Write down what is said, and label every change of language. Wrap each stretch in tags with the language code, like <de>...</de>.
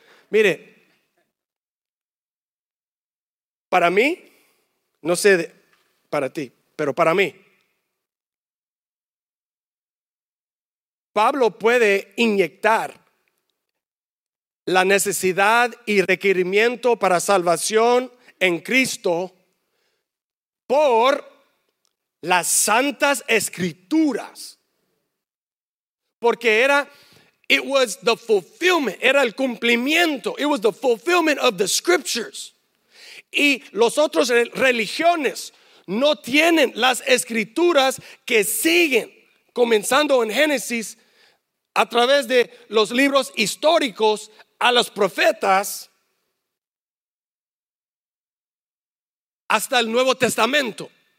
<es>Mire, para mí, no sé para ti, pero para mí, Pablo puede inyectar la necesidad y requerimiento para salvación en Cristo por las santas escrituras.</es> <en>Porque it was the fulfillment of the scriptures.</en> <es>Y los otros religiones no tienen las escrituras que siguen, comenzando en Génesis, a través de los libros históricos, a los profetas, hasta el Nuevo Testamento.</es>